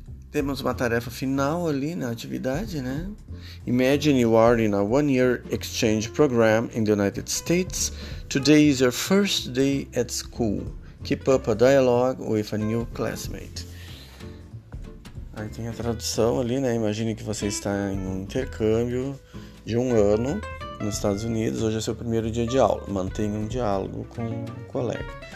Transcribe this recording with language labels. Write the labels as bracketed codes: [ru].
[pt] Temos uma tarefa final ali na atividade, né? [en] Imagine you are in a one-year exchange program in the United States. Today is your first day at school. Keep up a dialogue with a new classmate. [pt] Aí tem a tradução ali, né? Imagine que você está em um intercâmbio de um ano nos Estados Unidos. Hoje é seu primeiro dia de aula. Mantenha um diálogo com um colega.